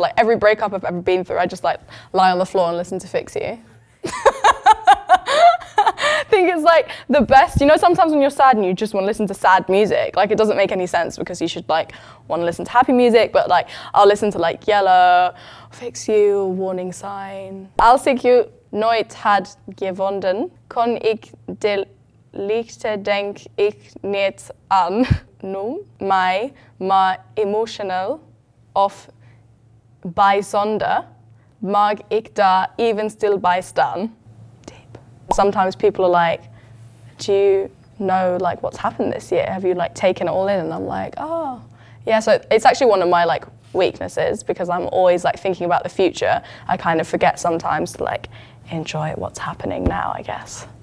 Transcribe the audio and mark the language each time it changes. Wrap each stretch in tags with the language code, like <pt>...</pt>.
<en>Like every breakup I've ever been through, I just like lie on the floor and listen to Fix You. I think it's like the best, you know, sometimes when you're sad and you just want to listen to sad music, like it doesn't make any sense because you should like want to listen to happy music, but like I'll listen to like Yellow, Fix You, Warning Sign.</en> <nl>Als ik u nooit had gevonden, kon ik de liefde denk ik niet aan noem mij maar emotional of bijzonder mag ik daar even stil bij staan.</nl> <en>Sometimes people are like, do you know like what's happened this year? Have you like taken it all in? And I'm like, oh. Yeah, so it's actually one of my like weaknesses because I'm always like thinking about the future. I kind of forget sometimes to like enjoy what's happening now, I guess.</en>